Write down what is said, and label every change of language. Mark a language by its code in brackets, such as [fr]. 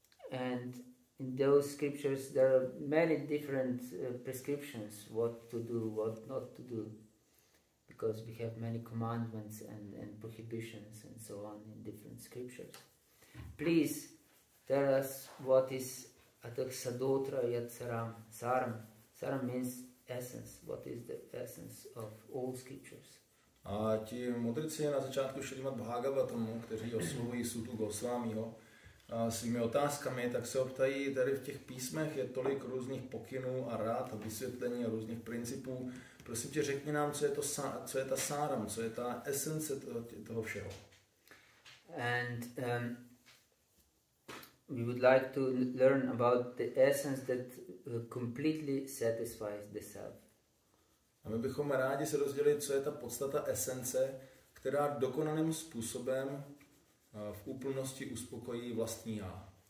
[en] And in those scriptures, there are many different prescriptions, what to do, what not to do, because we have many commandments and prohibitions and so on in different scriptures. Please tell us what is [sa] ataksadotra yat saram, saram. [en] Saram means essence. What is the essence of all scriptures? [cs] A ti mudrci na začátku Šrimad Bhagavatamu, kteří oslovují Sutu Gosvámiho, svými otázkami, tak se optají, tady v těch písmech je tolik různých pokynů a rád a vysvětlení a různých principů. Prosím tě, řekni nám, co je ta sáram, co je ta esence toho všeho. [en] And we would like to learn about the essence that completely satisfies the self. [cs] A my bychom rádi se dozvěděli, co je ta podstata esence, která dokonalým způsobem v úplnosti uspokojí vlastní já.